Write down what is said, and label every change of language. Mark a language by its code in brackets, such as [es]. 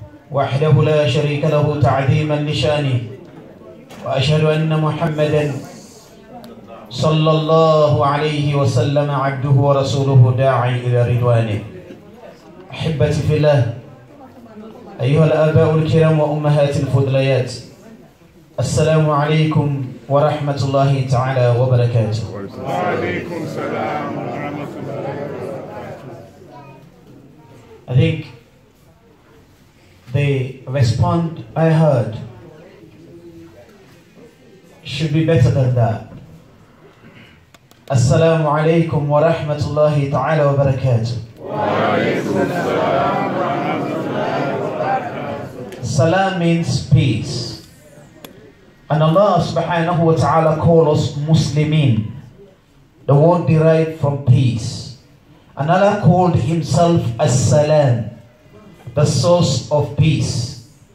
[ar] وحده لا شريك له تعظيما لشانه، وأشهد أن محمدا صلى الله عليه وسلم عبده ورسوله داعي إلى رضوانه. أحبتي في الله، أيها الآباء الكرام وأمهات الفضليات، السلام عليكم ورحمة الله تعالى وبركاته. وعليكم السلام ورحمة الله. [en] I think the response I heard should be better than that. [ar] السلام عليكم ورحمة الله تعالى وبركاته. وعليكم السلام ورحمة الله وبركاته. [en] السلام means peace. And Allah subhanahu wa ta'ala call us Muslimin, the word derived from peace. And Allah called himself As-Salam, the source of peace.